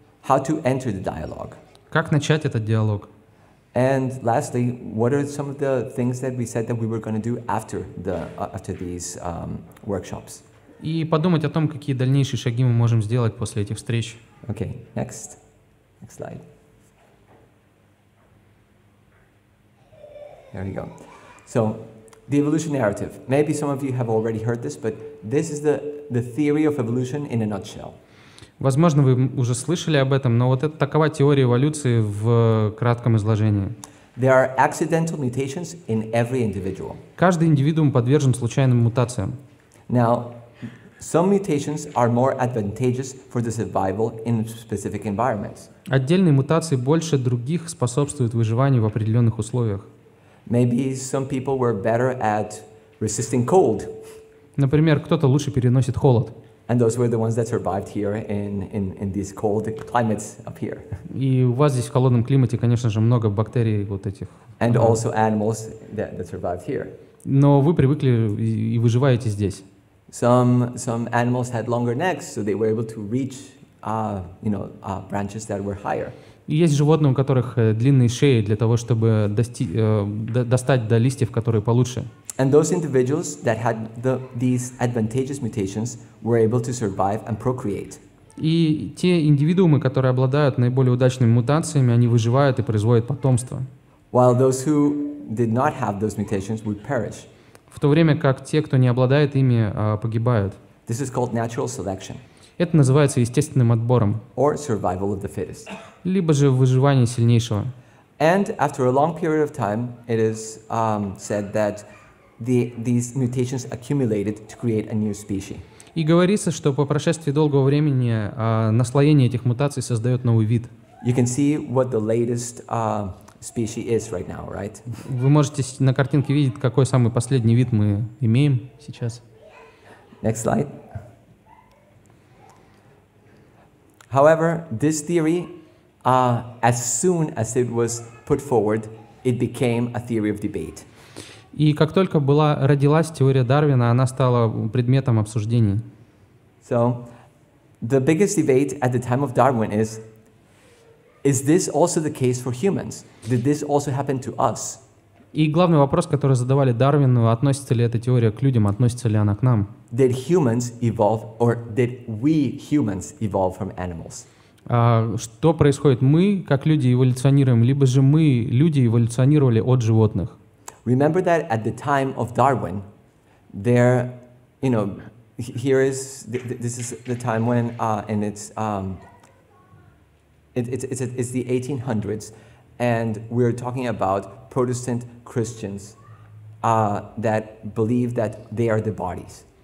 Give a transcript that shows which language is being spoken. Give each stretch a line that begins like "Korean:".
English: How to enter the dialogue.
Russian: Как начать этот диалог.
English: And lastly, what are some of the things that we said that we were going to do after these workshops?
Russian: И подумать о том, какие дальнейшие шаги мы можем сделать после этих встреч.
English: Okay, next slide. There you go. So, the evolution narrative. Maybe some of you have already heard this, but this is the theory of evolution in a nutshell.
Russian: Возможно, вы уже слышали об этом, но вот это такова теория эволюции в кратком изложении.
English: There are accidental mutations in every individual.
Russian: Каждый индивидуум подвержен случайным мутациям.
English: Now, some mutations are more advantageous for the survival in specific environments.
Russian: Отдельные мутации больше других способствуют выживанию в определенных условиях.
English: Maybe some people were better at resisting cold.
Russian: Например, кто-то лучше переносит холод.
English: And those were the ones that survived here in these cold climates up here.
Russian: И у вас здесь в холодном климате, конечно же, много бактерий вот этих.
English: And also animals that survived here.
Russian: Но вы привыкли и выживаете здесь.
English: Some animals had longer necks, so they were able to reach, branches that were higher.
Russian: Есть животные, у которых длинные шеи для того, чтобы достать до листьев, которые получше.
English: And those individuals that had these advantageous mutations were able to survive and procreate.
Russian: И те индивидуумы, которые обладают наиболее удачными мутациями, они выживают и производят потомство.
English: While those who did not have those mutations would perish.
Russian: В то время как те, кто не обладает ими, погибают.
English: This is called natural selection.
Russian: Это называется естественным отбором.
English: Or survival of the fittest.
Russian: Либо же выживание сильнейшего.
English: And after a long period of time, it is said that these mutations accumulated to create a new species.
Russian: И говорится, что по прошествии долгого времени наслоение этих мутаций создает новый вид.
English: You can see what the latest species is right now, right?
Russian: Вы можете на картинке видеть, какой самый последний вид мы имеем сейчас.
English: Next slide. However, this theory, as soon as it was put forward, it became a theory of debate.
Russian: И как только родилась теория Дарвина, она стала предметом обсуждений.
English: So, the biggest debate at the time of Darwin is this also the case for humans? Did this also happen to us?
Russian: И главный вопрос, который задавали Дарвину, относится ли эта теория к людям, относится ли она к нам?
English: Did humans evolve, or did we humans evolve from animals?
Russian: Что происходит? Мы, как люди, эволюционируем, либо же мы, люди, эволюционировали от животных?
English: Remember that at the time of Darwin, there, you know, here is this is the time when and it's the 1800s, and we're talking about Protestant Christians that believe that they are the bodies.